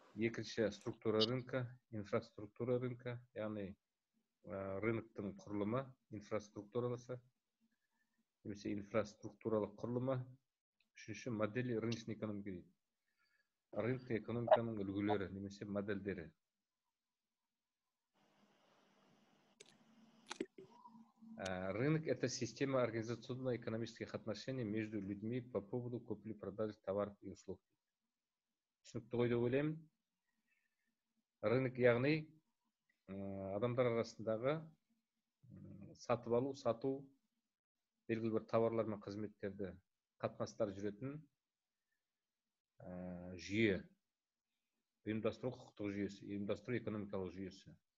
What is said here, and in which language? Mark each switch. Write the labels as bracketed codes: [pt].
[kk] Екінші, [ru] структура рынка, инфраструктура рынка, [kk] яғни рынктың құрылымы, инфраструктурасы, немесе инфраструктуралық құрылымы. Үшінші, [ru] модели рыночной экономики [kk] дейді. Рынок экономиканың үлгілері, немесе модельдері. [ru] Рынок – это система организационно-экономических отношений между людьми по поводу купли-продажи товаров и услуг. [kk] Түсінікті ғой деп ойлаймын. Рынок, яғни, адамдар арасындағы сатып алу, сату, белгілі бір товарлар мен қызметтерді қатынастар жүретін жүйе, ұйымдастыру құқықтық жүйесі, ұйымдастыру экономикалық жүйесі.